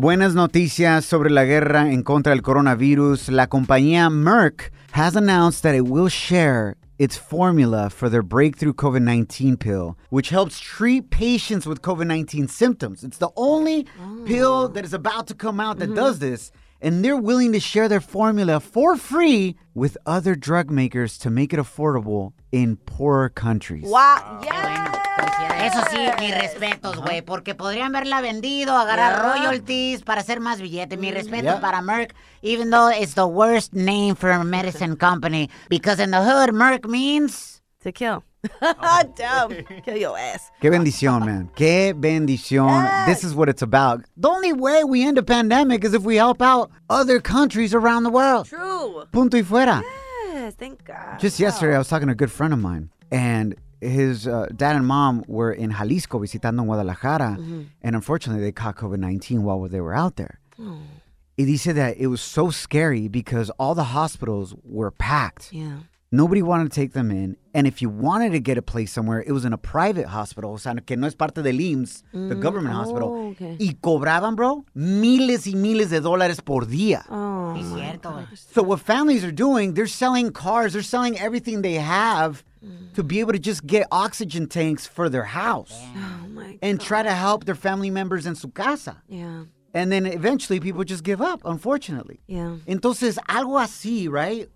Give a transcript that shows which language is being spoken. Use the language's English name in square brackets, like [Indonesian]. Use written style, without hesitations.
[Spanish] Buenas noticias sobre la guerra en contra del coronavirus. La compañía Merck [English] has announced that it will share its formula for their breakthrough COVID-19 pill, which helps treat patients with COVID-19 symptoms. It's the only pill that is about to come out that does this. and they're willing to share their formula for free with other drug makers to make it affordable in poorer countries. Wow. Yes. [Spanish] Eso sí, mis respetos, güey, porque podrían haberla vendido, agarrar royalties para hacer más billete. Mi respeto para Merck, [English] even though it's the worst name for a medicine company, because in the hood, Merck means... To kill. Damn. Kill your ass. [Spanish] Qué bendición, man. Qué bendición. [English] Yeah. This is what it's about. The only way we end a pandemic is if we help out other countries around the world. True. [Spanish] Punto y fuera. [English] Yes, thank God. Just yesterday, I was talking to a good friend of mine, and... His dad and mom were in Jalisco [Spanish] visitando Guadalajara. [English] Mm-hmm. And unfortunately, they caught COVID-19 while they were out there. Mm. He said that it was so scary because all the hospitals were packed. Yeah. Nobody wanted to take them in. And if you wanted to get a place somewhere, it was in a private hospital. [Spanish] O sea, que no es parte del IMSS, [English] the government hospital. Okay. [Spanish] Y cobraban, bro, miles y miles de dólares por día. [English] Oh, [Spanish] es cierto. [English] So what families are doing, they're selling cars. They're selling everything they have to be able to just get oxygen tanks for their house. Oh, my God. And try to help their family members in [Spanish] su casa. [English] Yeah. And then eventually people just give up, unfortunately. Yeah. [Spanish] Entonces, algo así, right?